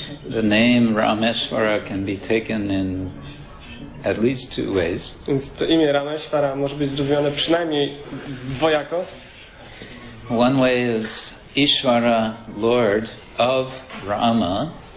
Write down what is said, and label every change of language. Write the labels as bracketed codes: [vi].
[en] The name Rameshwara can be taken in at least two ways. [pl] Więc to imię Rameshwara może być zrozumiane przynajmniej dwojako. [en] One way is Ishwara, Lord of Rama.